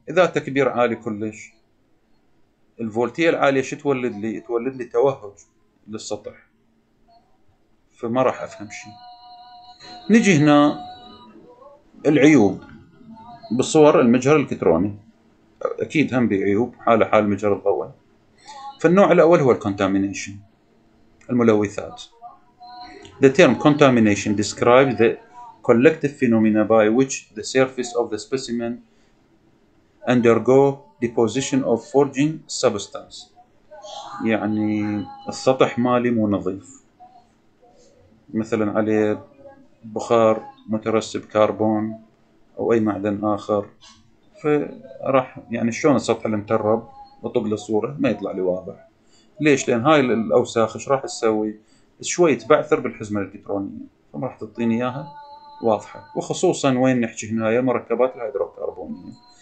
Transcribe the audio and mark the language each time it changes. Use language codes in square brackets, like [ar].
[ar] إذا تكبير عالي كلش الفولتية العالية شو تولد لي؟ تولد لي توهج للسطح، فما راح أفهم شيء. نجي هنا العيوب بصور المجهر الإلكتروني، أكيد هم بعيوب حالة حال المجهر الضوئي. فالنوع الأول هو الكونتامينيشن، الملوثات. [en] The term contamination describes the collective phenomena by which the surface of the specimen undergo deposition of foreign substance. [ar] يعني السطح مالي مو نظيف، مثلا عليه بخار مترسب كربون او اي معدن اخر، فراح يعني شلون السطح المترب وطبل الصورة ما يطلع لي واضح، ليش؟ لان هاي الاوساخ ايش راح تسوي؟ شوي تبعثر بالحزمة الالكترونية، فما راح تعطيني اياها واضحة، وخصوصا وين نحكي هنا، هي مركبات الهيدروكربونية،